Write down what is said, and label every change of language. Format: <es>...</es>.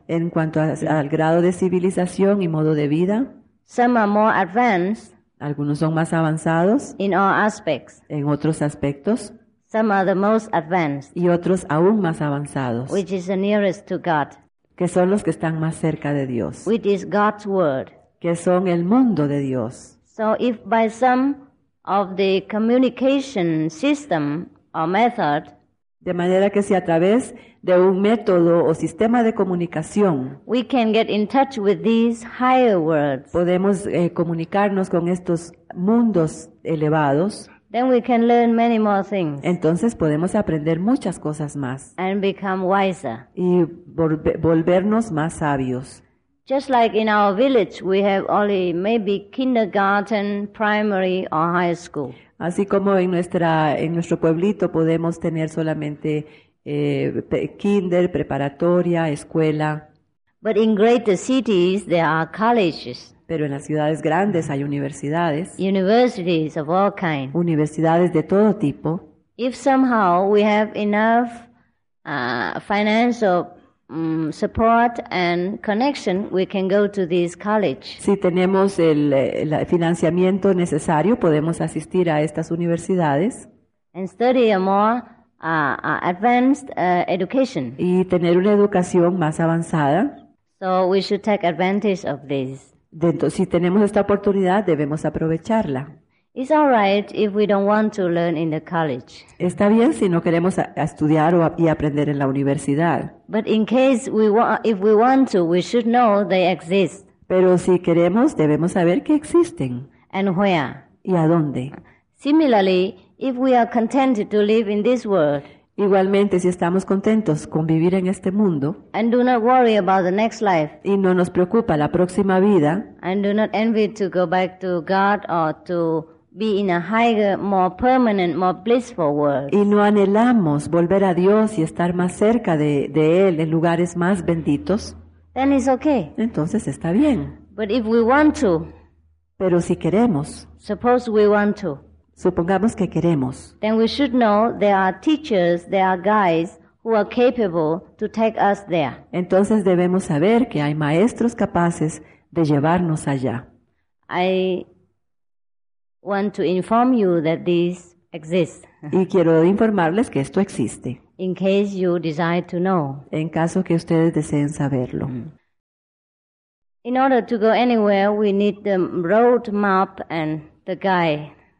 <es>En cuanto al grado de civilización y modo de vida.</es> <en>Some are more advanced.</en> <es>Algunos son más avanzados.</es> <en>In all aspects.</en> <es>En otros aspectos.</es> <en>Some are the most advanced.</en> <es>Y otros aún más avanzados.</es> <en>Which is the nearest to God.</en> <es>Que son los que están más cerca de Dios.</es> <en>Which is God's word.</en> <es>Que son el mundo de Dios.</es> <en>So if by some of the communication system or method.</en> <es>De manera que si a través de un método o sistema de comunicación.</es> <en>We can get in touch with these higher worlds.</en> <es>Podemos comunicarnos con estos mundos elevados.</es> <en>Then we can learn many more things.</en> <es>Entonces podemos aprender muchas cosas más.</es> <en>And become wiser.</en> <es>Y volvernos más sabios.</es> <en>Just like in our village, we have only maybe kindergarten, primary, or high school.</en> <es>Así como en nuestro pueblito podemos tener solamente kinder, preparatoria, escuela.</es> <en>But in greater cities, there are colleges.</en> <es>Pero en las ciudades grandes hay universidades.</es> <en>Universities of all kinds.</en> <es>Universidades de todo tipo.</es> <en>If somehow we have enough financial support and connection, we can go to this college.</en> <es>Si tenemos el financiamiento necesario, podemos asistir a estas universidades.</es> <en>And study a more advanced education.</en> <es>Y tener una educación más avanzada.</es> <en>So we should take advantage of this.</en> <es>Entonces, si tenemos esta oportunidad, debemos aprovecharla.</es> <en>It's all right if we don't want to learn in the college.</en> <es>Está bien si no queremos estudiar y aprender en la universidad.</es> <en>But in case if we want to, we should know they exist.</en> <es>Pero si queremos, debemos saber que existen.</es> <en>And where?</en> <es>¿Y a dónde?</es> <en>Similarly, if we are contented to live in this world.</en> <es>Igualmente, si estamos contentos con vivir en este mundo,</es> <en>and do not worry about the next life,</en> <es>y no nos preocupa la próxima vida,</es> <en>and do not envy to go back to God or to be in a higher, more permanent, more blissful world,</en> <es>y no anhelamos volver a Dios y estar más cerca de Él en lugares más benditos,</es> <en>then it's okay.</en> <es>Entonces está bien.</es> <en>But if we want to,</en> <es>pero si queremos,</es> <en>suppose we want to.</en> <es>Supongamos que queremos.</es> <en>Then we should know there are teachers, there are guides who are capable to take us there.</en> <es>Entonces debemos saber que hay maestros capaces de llevarnos allá.</es> <en>I want to inform you that this exists.</en> <es>Y quiero informarles que esto existe.</es> <en>In case you desire to know.</en> <es>En caso que ustedes deseen saberlo.</es> <en>In order to go anywhere, we need the road map and the guide.</en>